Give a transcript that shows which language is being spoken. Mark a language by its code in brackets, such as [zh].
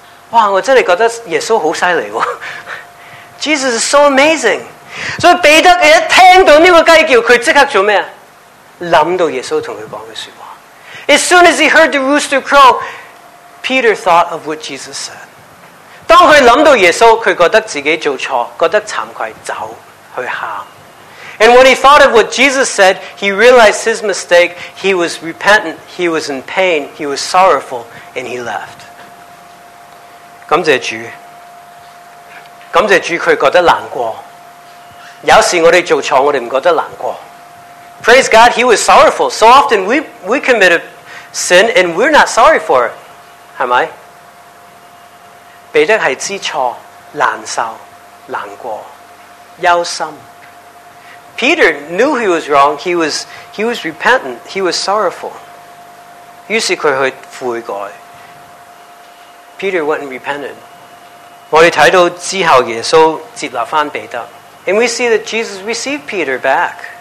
[zh] 哇，我真的觉得耶稣好犀利哦。 [en] Jesus is so amazing. [zh] 所以彼得一听到这个鸡叫，他立刻做什么？想到耶稣跟他说的话。 [en] As soon as he heard the rooster crow, Peter thought of what Jesus said. [zh] 当他想到耶稣，他觉得自己做错，觉得惭愧，走去喊。 [en] And when he thought of what Jesus said, he realized his mistake, he was repentant, he was in pain, he was sorrowful, and he left. [zh] 感谢主。感谢主，他觉得难过。有时我们做错，我们不觉得难过。 [en] Praise God, he was sorrowful. So often we commit a sin and we're not sorry for it. [zh] 是吗？彼得是知错，难受，难过，忧心。 [en] Peter knew he was wrong. He was repentant. He was sorrowful. [zh] 于是他去悔改。 [en] Peter went and repented. [zh] 我们看到之后耶稣接纳回彼得。 [en] And we see that Jesus received Peter back.